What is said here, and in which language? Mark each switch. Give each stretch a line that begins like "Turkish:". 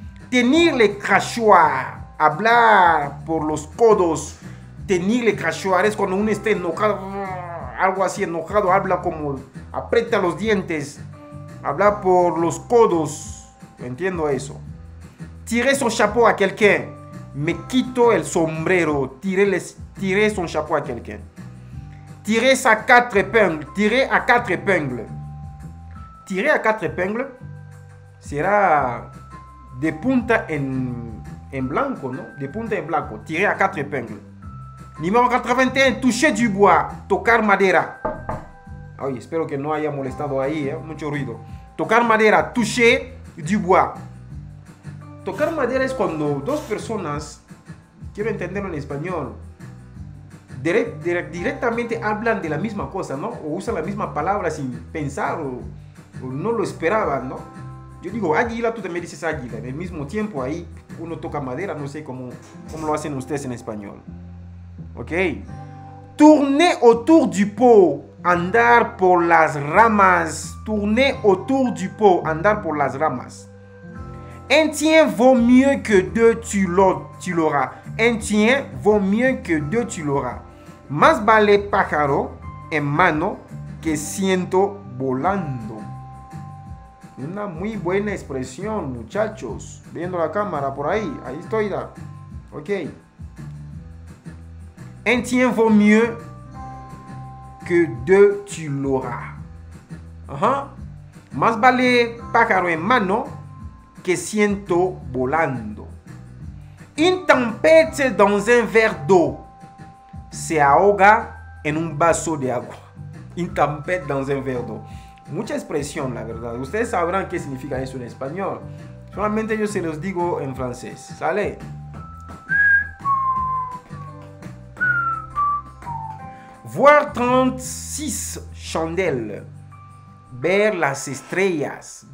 French: Tenir le crachoir,
Spanish: hablar por los codos.
French: Tenir le crachoir
Spanish: es cuando uno está enojado, algo así enojado, habla como aprieta los dientes. Hablar por los codos, entiendo eso.
French: Tirer son chapeau a quelqu'un.
Spanish: Me quito el sombrero.
French: Tirer son chapeau a quelqu'un. Tirer sa quatre épingles. Tirer à quatre épingles. Tirer à quatre épingles sera
Spanish: de punta en blanco, ¿no? De punta en blanco.
French: Tirer à quatre épingles. Numéro 81. Toucher du bois.
Spanish: Tocar madera. Ay, espero que no haya molestado ahí, ¿eh? Mucho ruido. Tocar madera.
French: Toucher du bois.
Spanish: Tocar madera es cuando dos personas, quiero entenderlo en español, directamente hablan de la misma cosa, ¿no? O usan la misma palabra sin pensar o no lo esperaban, ¿no? Yo digo águila, tú también dices águila. En el mismo tiempo ahí uno toca madera, no sé cómo lo hacen ustedes en español.
French: ¿Ok? Tourner autour du pot,
Spanish: andar por las ramas.
French: Tourner autour du pot,
Spanish: andar por las ramas.
French: Un tien vaut mieux que deux, tu l'auras. Un tien vaut mieux que deux, tu l'auras.
Spanish: Más vale pájaro en mano que ciento volando. Una muy buena expresión, muchachos. Viendo la cámara por ahí. Ahí estoy, ¿da? Ok.
French: Un tien vaut mieux que deux, tu l'auras. Ajá.
Spanish: Más vale pájaro en mano que siento volando.
French: Une tempête dans un verre d'eau.
Spanish: Se ahoga en un vaso de agua.
French: Une tempête dans un verre d'eau.
Spanish: Mucha expresión, la verdad. Ustedes sabrán qué significa eso en español. Solamente yo se los digo en francés. ¿Sale?
French: Voir 36 chandelles.
Spanish: Ver las estrellas.